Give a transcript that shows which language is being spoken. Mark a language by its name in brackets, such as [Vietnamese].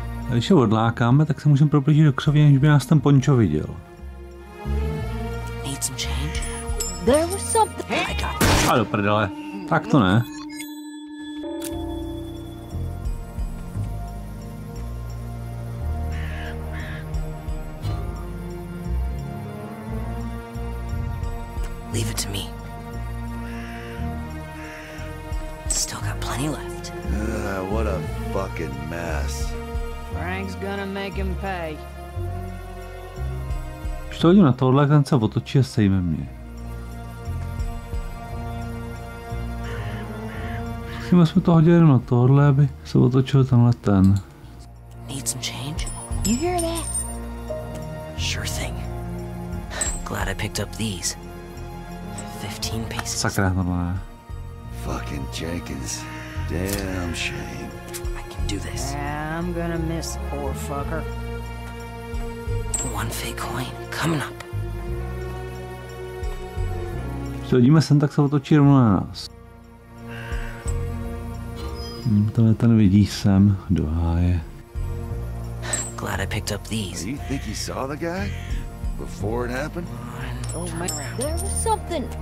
[Czech] A když ho odlákáme, tak se můžeme proplížit do křoví, než by nás ten Pončo viděl. [English] Need some change? There was something I got. [Czech] A do prdele. Tak to ne. [English] Leave it to me. Still got plenty left. What a fucking mess. Frank's gonna make him pay. [Czech] Už to hodím na tohle, ten se otočí a sejme mě. Musíme jsme to hodili jenom na tohle, aby se otočil tenhle ten. [English] Need some change? You hear that? Sure thing. Glad I picked up these. 15 paces. [Czech] Sakra, normálně. [English] Fucking Jenkins. Damn shame. I can do this. I'm gonna miss, poor fucker. One fake coin coming up. [Czech] Sledíme sem, tak se otočí rovno na nás. Tohle ten vidí sem do háje. [English] Glad I picked up these. You think you saw the guy before it happened? Oh my, there was something.